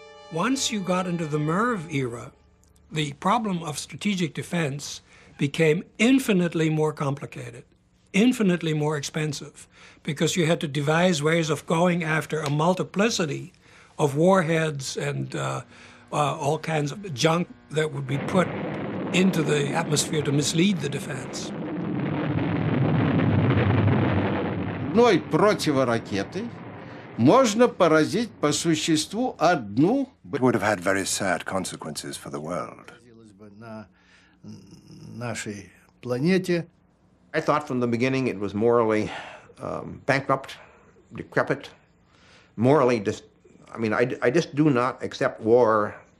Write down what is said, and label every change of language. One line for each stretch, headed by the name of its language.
English: Once you got into the MIRV era, the problem of strategic defense became infinitely more complicated, infinitely more expensive, because you had to devise ways of going after a multiplicity of warheads and all kinds of junk that would be put into the atmosphere to mislead the defense.
Russian: Одной противоракеты можно поразить по существу одну.
English: It would have had very sad consequences for the world.
Russian: На нашей планете.
English: I thought from the beginning it was morally bankrupt, decrepit, morally I just do not accept war.